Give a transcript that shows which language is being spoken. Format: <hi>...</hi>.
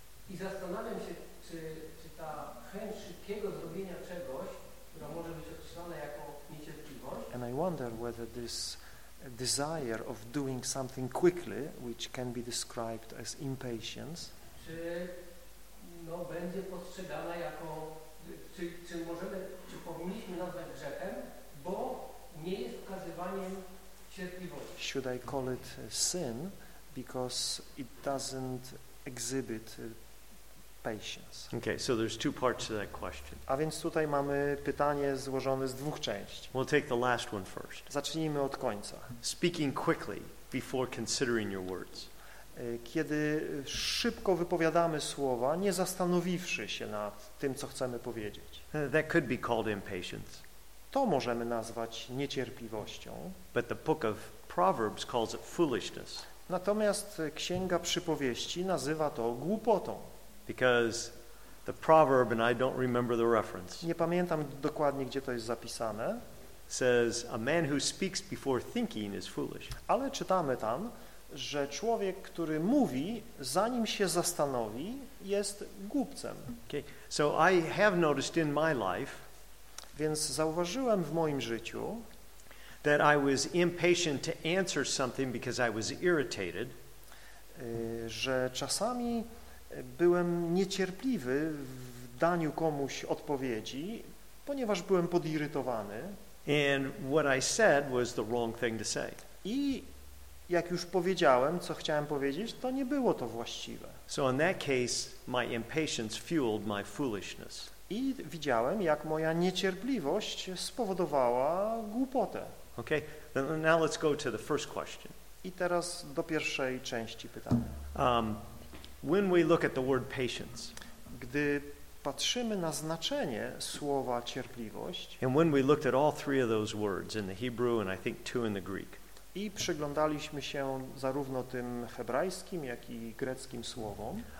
<pl>I zastanawiam się, czy ta chęć szybkiego zrobienia czegoś, która może być określona jako niecierpliwość.</pl> <en>And I wonder whether this desire of doing something quickly, which can be described as impatience.</en> <pl>Czy no będzie postrzegana jako, czy możemy, czy powinniśmy nazwać grzechem, bo nie jest okazywaniem cierpliwości.</pl> <en>Should I call it sin, because it doesn't exhibit patience. Okay, so there's two parts to that question.</en> <pl>A więc tutaj mamy pytanie złożone z dwóch części.</pl> <en>We'll take the last one first.</en> <pl>Zacznijmy od końca.</pl> <en>Speaking quickly before considering your words.</en> <pl>Kiedy szybko wypowiadamy słowa, nie zastanowiwszy się nad tym, co chcemy powiedzieć.</pl> <en>That could be called impatience.</en> <pl>To możemy nazwać niecierpliwością.</pl> <en>But the book of Proverbs calls it foolishness.</en> <pl>Natomiast Księga Przypowieści nazywa to głupotą.</pl> <en>Because the proverb, and I don't remember the reference.</en> <pl>Nie pamiętam dokładnie, gdzie to jest zapisane.</pl> <en>Says a man who speaks before thinking is foolish.</en> <pl>Ale czytamy tam, że człowiek, który mówi, zanim się zastanowi, jest głupcem.</pl> <en>Okay. So I have noticed in my life,</en> <pl>więc zauważyłem w moim życiu,</pl> <en>that I was impatient to answer something because I was irritated,</en> <pl>że czasami byłem niecierpliwy w daniu komuś odpowiedzi, ponieważ byłem podirytowany.</pl> <en>And what I said was the wrong thing to say.</en> <pl>I jak już powiedziałem, co chciałem powiedzieć, to nie było to właściwe.</pl> <en>So in that case, my impatience fueled my foolishness.</en> <pl>I widziałem, jak moja niecierpliwość spowodowała głupotę.</pl> <en>Okay. Now let's go to the first question.</en> <pl>I teraz do pierwszej części pytania.</pl> <en>When we look at the word patience,</en> <pl>gdy patrzymy na znaczenie słowa cierpliwość,</pl> <en>and when we looked at all three of those words in the Hebrew and I think two in the Greek,</en> <pl>i przyglądaliśmy się zarówno tym hebrajskim, jak i greckim słowom,</pl>